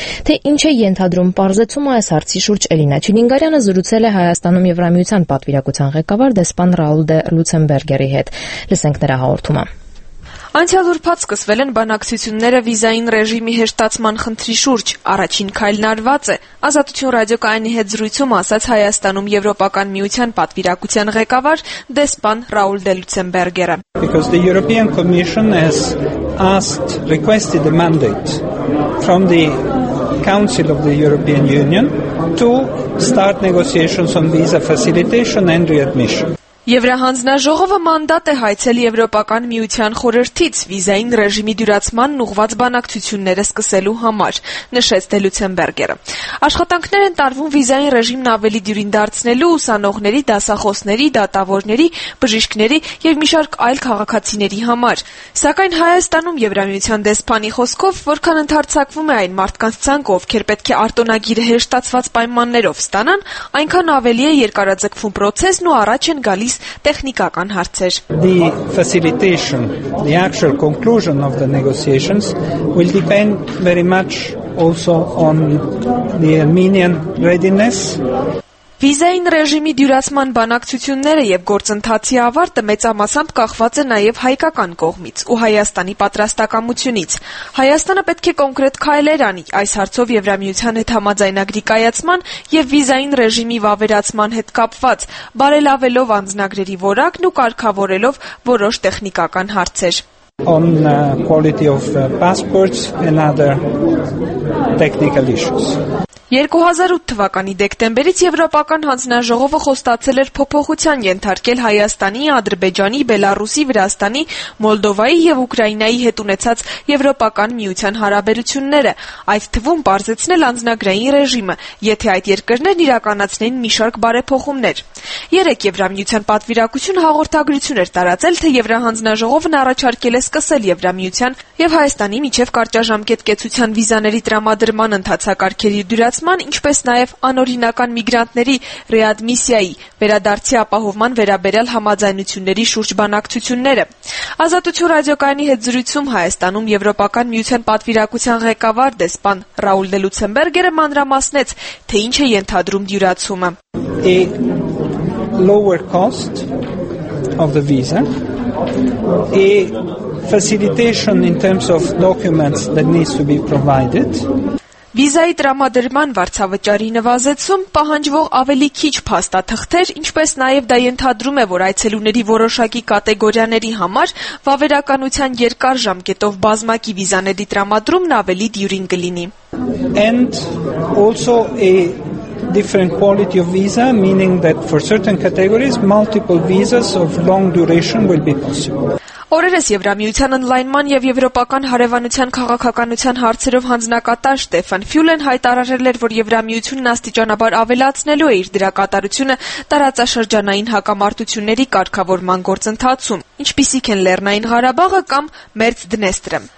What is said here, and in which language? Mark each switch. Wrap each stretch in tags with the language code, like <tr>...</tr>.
<hy>Թե ինչ է ենթադրում պարզեցումը, այս հարցի շուրջ Էլինա Չինգարյանը զրուցել է Հայաստանում Եվրամիության պատվիրակության ղեկավար դեսպան Ռաուլ դե Լուցենբերգերի հետ։ Լսենք նրա հաղորդումը։ Անցյալ ուրբաթ սկսվել են բանակցությունները վիզային ռեժիմի հեշտացման խնդրի շուրջ, առաջին քայլն արված է, Ազատություն ռադիոկայանի հետ զրույցում ասաց Հայաստանում Եվրոպական միության պատվիրակության ղեկավար դեսպան Ռաուլ դե Լուցենբերգերը։</hy> <en>Because the European Commission has asked, requested a mandate from the Council of the European Union to start negotiations on visa facilitation and readmission.</en> <hy>Եվրահանձնաժողովը մանդատ է հայցել Եվրոպական միության խորհրդից վիզային ռեժիմի դյուրացման ուղված բանակցությունները սկսելու համար, նշեց դե Լուցենբերգերը։ Աշխատանքներ են տարվում վիզային ռեժիմն ավելի դյուրին դարձնելու ուսանողների, դասախոսների, դատավորների, բժիշկների եւ մի շարք այլ քաղաքացիների համար։ Սակայն Հայաստանում Եվրամիության դեսպանի խոսքով, որքան ընդարձակվում է այն մարդկանց ցանկ, ովքեր պետք է արտոնագիրը հեշտացված պայմաններով ստանան, այնքան ավելի է երկարաձգվում պրոցեսն ու առաջ են գալիս տեխնիկական հարցեր։</hy> <en>The facilitation, the actual conclusion of the negotiations will depend very much also on the Armenian readiness.</en> <hy>Վիզային ռեժիմի դյուրացման բանակցությունները եւ գործընթացի ավարտը մեծամասամբ կախված է նաեւ հայկական կողմից ու Հայաստանի պատրաստակամությունից։ Հայաստանը պետք է կոնկրետ քայլեր անի այս հարցով Եվրամիության հետ համաձայնագրի կայացման եւ վիզային ռեժիմի վավերացման հետ կապված, բարելավելով անձնագրերի որակն ու կարգավորելով որոշ տեխնիկական հարցեր։</hy> <en>On the quality of passports and other technical issues.</en> <hy>2008 թվականի դեկտեմբերից Եվրոպական հանձնաժողովը խոստացել էր փոփոխության ենթարկել Հայաստանի, Ադրբեջանի, Բելարուսի, Վրաստանի, Մոլդովայի եւ Ուկրաինայի հետ ունեցած Եվրոպական միության հարաբերությունները, այդ թվում պարզեցնել անձնագրային ռեժիմը, եթե այդ երկրներն իրականացնեն մի շարք բարեփոխումներ։ Երեք Եվրամիության պատվիրակություն հաղորդագրություն էր տարածել, թե Եվրահանձնաժողովն առաջարկել է սկսել Եվրամիության եւ Հայաստանի միջև կարճաժամկետ կեցության վիզաների տրամադրման ընթացակարգերի դրացման, ինչպես նաև անօրինական միգրանտների ռեադմիսիայի վերադարձի ապահովման վերաբերյալ համաձայնությունների շուրջ բանակցությունները։ Ազատություն ռադիոկայանի հետ զրույցում Հայաստանում Եվրոպական միության պատվիրակության ղեկավար դեսպան Ռաուլ դե Լուցենբերգերը մանրամասնեց, թե ինչ է ենթադրում դյուրացումը։</hy> <en>The lower cost of the visa, a facilitation in terms of documents that needs to be provided.</en> <hy>Վիզայի տրամադրման վարձավճարի նվազեցում, պահանջվող ավելի քիչ փաստաթղթեր, ինչպես նաև դա ենթադրում է, որ այցելուների որոշակի կատեգորիաների համար վավերականության երկար ժամկետով բազմակի վիզաների տրամադրումն ավելի դյուրին կլինի։</hy> <en>And also a different quality of visa, meaning that for certain categories multiple visas of long duration will be possible.</en> <hy>Օրերս Եվրամիության ընդլայնման և Եվրոպական հարևանության քաղաքականության հարցերով հանձնակատար Ստեֆան Ֆյուլեն հայտարարել էր, որ Եվրամիությունն աստիճանաբար ավելացնելու է իր դրակատարությունը տարածաշրջանային հակամարտությունների կարգավորման գործընթացում, ինչպիսիք են Լեռնային Ղարաբաղը կամ Մերձ Դնեստրը։</hy>